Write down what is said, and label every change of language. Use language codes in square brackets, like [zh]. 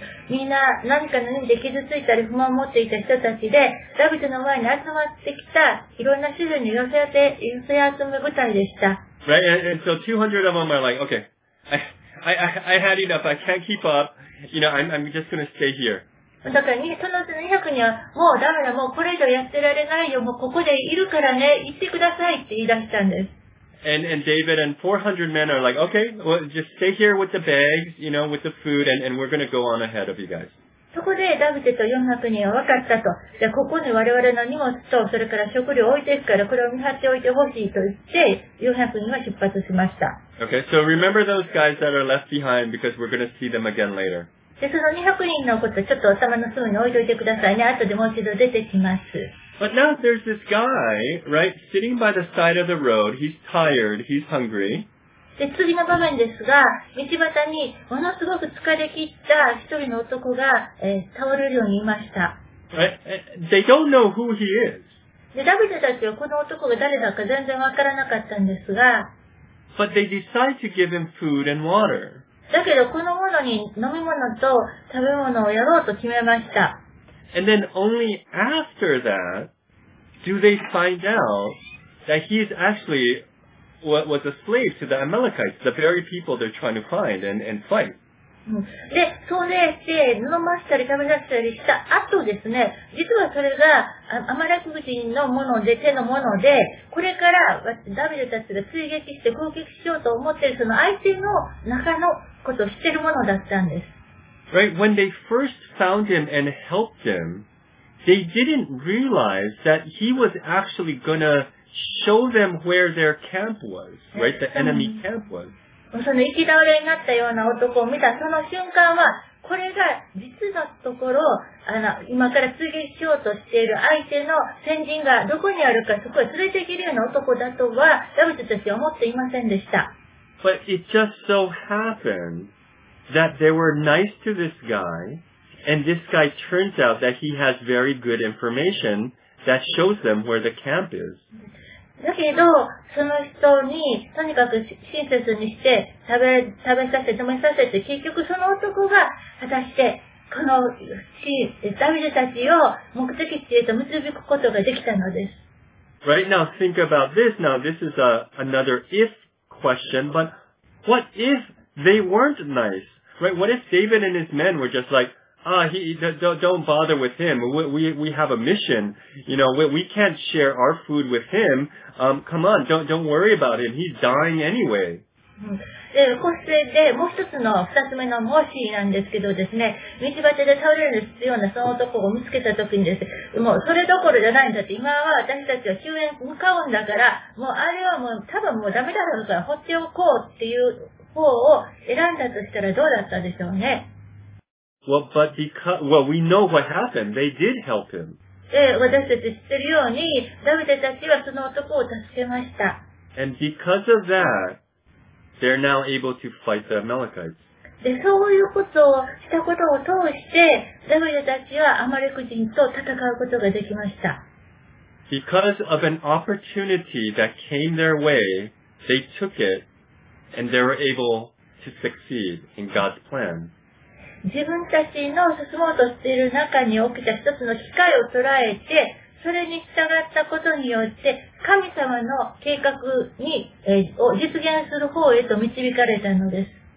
[ja] みんな何か何で傷ついたり不満を持っていた人たちで、ダビデの前に集まってきた、いろんな種類の寄せ集め部隊でした。 [en] Right, and so 200 of them are like, okay, I had enough, I can't keep up, you know, I'm just gonna stay here. [ja] だから、その200人は、もうダメだ、もうこれ以上やってられないよ、もうここでいるからね、行ってくださいって言い出したんです。 [en] and David and 400 men are like, okay, well, just stay here with the bags, you know, with the food, and we're going to go on ahead of you guys. [ja] そこでダビデと400人は分かったと。じゃあここに我々の荷物とそれから食料を置いていくからこれを見張っておいてほしいと言って400人は出発しました。 [en] Okay, so remember those guys that are left behind because we're going to see them again later. [ja] でその200人のことちょっと頭の隅に置いておいてくださいね。後でもう一度出てきます。 [en] But now there's this guy, right, sitting by the side of the road. He's tired. He's hungry. [ja] で次の場面ですが、道端にものすごく疲れ切った一人の男が、倒れるようにいました。 [en] They don't know who he is. [ja] でダビデたちはこの男が誰だか全然わからなかったんですが、 [en] But they decide to give him food and water. [ja] だけどこの者に飲み物と食べ物をやろうと決めました。 [en] And then only after that do they find out that he is actually... What was a slave to the Amalekites, the very people they're trying to find and fight. [ja] で、それで飲ましたり食べさせたりした後ですね、実はそれがアマレク人のもので、手のもので、これからダビデたちが追撃して攻撃しようと思っているその相手の中のことを知ってるものだったんです。 [en] Right, when they first found him and helped him, they didn't realize that he was actually gonna... Show them where their camp was, right? The enemy camp was. [ja] その行き倒れになったような男を見たその瞬間は、これが実のところ、今から追撃しようとしている相手の先人がどこにあるかそこへ連れて行けるような男だとは、ダビデたちは思っていませんでした。 [en] But it just so happened that they were nice to this guy, and this guy turns out that he has very good information. That shows them where the camp is. [ja] だけど、その人にとにかく親切にして食べさせて、飲めさせて、結局その男が果たしてこのダビデたちを目的地へと導くことができたのです。 [en] Right now, think about this. Now, this is another if question, but what if they weren't nice? Right? What if David and his men were just like,don't bother with him. We have a mission. You know, we can't share our food with him. Come on, don't worry about him. He's dying anyway. [ja] で、こうして、で、もう一つの二つ目のもしなんですけどですね、道端で倒れる必要なその男を見つけたときにです、もうそれどころじゃないんだって、今は私たちは救援向かうんだから、もうあれはもう多分もうダメだろうから、放っておこうっていう方を選んだとしたらどうだったでしょうね。 [en] Well, but because, well, we know what happened. They did help him. And because of that, they're now able to fight the Amalekites. [ja] で、そういうことをしたことを通して、ダビデたちはアマレク人と戦うことができました。 [en] Because of an opportunity that came their way, they took it, and they were able to succeed in God's plan. [ja] 自分たちの進もうとしている中に起きた一つの機会を捉えて、それに従ったことによって、神様の計画に、を実現する方へと導かれたのです。